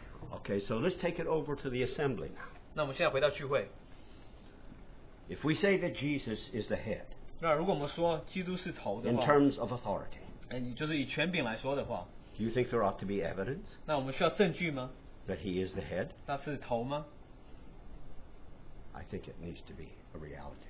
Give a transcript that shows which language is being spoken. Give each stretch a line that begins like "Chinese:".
English: Okay, so let's take it over to the assembly now.
Chinese: 那我们现在回到聚会。
English: If we say that Jesus is the head,
Chinese: 那如果我们说基督是头的话,
English: in terms of authority,
Chinese: 就是以权柄来说的话,
English: do you think there ought to be evidence
Chinese: 那我们需要证据吗?
English: That he is the head?
Chinese: 那是头吗?
English: I think it needs to be a reality.